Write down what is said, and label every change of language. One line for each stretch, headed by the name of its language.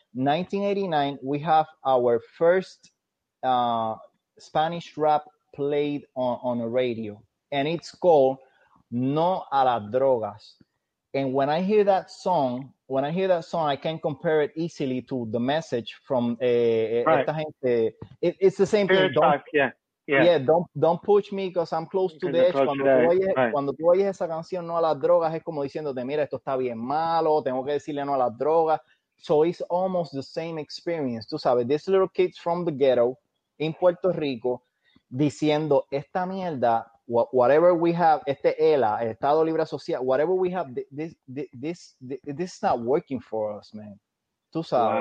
English: 1989, we have our first Spanish rap played on a radio, and it's called "No a las Drogas." And when I hear that song, I can compare it easily to the message from
Spanish: esta gente.
English: It's the same Spirit thing. Yeah, don't push me because I'm close to the edge.
Spanish: Cuando tú oyes esa canción, no a las drogas, es como diciéndote, mira, esto está bien malo, tengo que decirle no a las drogas.
English: So it's almost the same experience,
Spanish: tú sabes.
English: This little kid from the ghetto in Puerto Rico
Spanish: diciendo, esta mierda,
English: whatever we have,
Spanish: este ELA, Estado Libre Asociado,
English: whatever we have, this is not working for us, man.
Spanish: Tú sabes.